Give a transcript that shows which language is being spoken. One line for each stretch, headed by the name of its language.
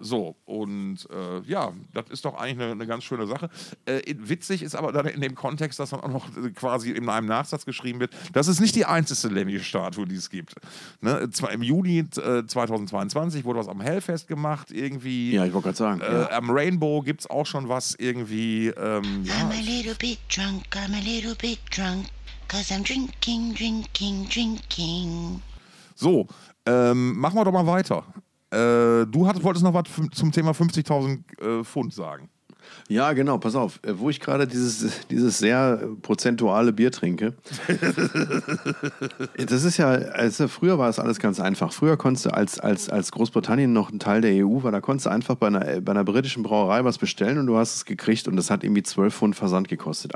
German: So, und das ist doch eigentlich eine ganz schöne Sache. Witzig ist aber dann in dem Kontext, dass dann auch noch quasi in einem Nachsatz geschrieben wird, das ist nicht die einzige Lemmy-Statue, die es gibt. Ne? Zwar im Juni 2022 wurde was am Hellfest gemacht, irgendwie. Ja, ich wollte gerade sagen. Am Rainbow gibt es auch schon was irgendwie.
English: I'm a little bit drunk, I'm a little bit drunk, cause I'm drinking, drinking, drinking.
German: So, machen wir doch mal weiter. Du wolltest noch was zum Thema 50.000 Pfund sagen. Ja, genau, pass auf. Wo ich gerade dieses sehr prozentuale Bier trinke. Das ist ja, also früher war es alles ganz einfach. Früher konntest du als Großbritannien noch ein Teil der EU war, da konntest du einfach bei einer britischen Brauerei was bestellen und du hast es gekriegt und das hat irgendwie 12 Pfund Versand gekostet.